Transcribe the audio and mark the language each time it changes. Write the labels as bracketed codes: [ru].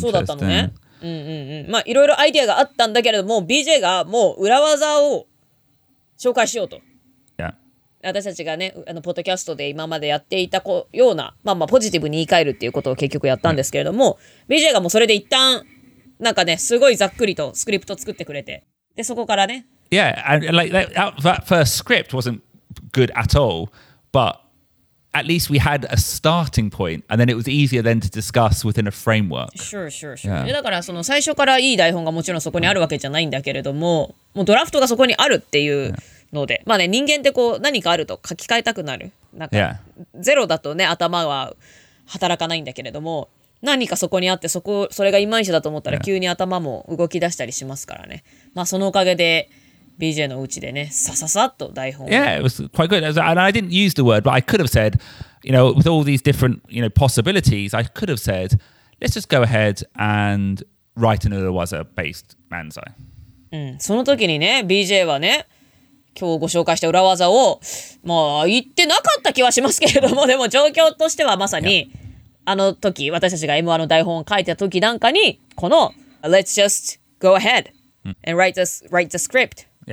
[ja] そうだったのね。まあいろいろアイデアがあったんだけれども、BJ がもう裏技を紹介しようと。 [en] Yeah. [ja] 私たちがね、あのポッドキャストで今までやっていたような、まあまあポジティブに言い換えるっていうことを結局やったんですけれども、BJ がもうそれで一旦なんかね、すごいざっくりとスクリプト作ってくれて、でそこからね。 [en] Yeah, and like that first script wasn't. Good at all, but at least we had a starting point, and then it was easier then to discuss within a framework. Sure, sure, sure. [ja] Yeah. だからその最初からいい台本がもちろんそこにあるわけじゃないんだけれども、もうドラフトがそこにあるっていうので、 [en] yeah. [ja] まあね、人間ってこう何かあると書き換えたくなる。なんか、 [en] yeah. [ja] ゼロだとね、頭は働かないんだけれども、何かそこにあって、それがいまいちだと思ったら、 [en] yeah. [ja] 急に頭も動き出したりしますからね。まあそのおかげで。 BJ のうちでね、さささっと台本。 [en] Yeah, it was quite good. And I didn't use the word, but I could have said, you know, with all these different, you know, possibilities, I could have said, let's just go ahead and write an Uruwaza based 漫才. [ja] その時にね、BJ はね、今日ご紹介した裏技を、まあ言ってなかった気はしますけれども、でも状況としてはまさに、 [en] yeah. [ja] あの時、私たちが M1 の台本を書いた時なんかに、この、 [en] let's just go ahead and write the script.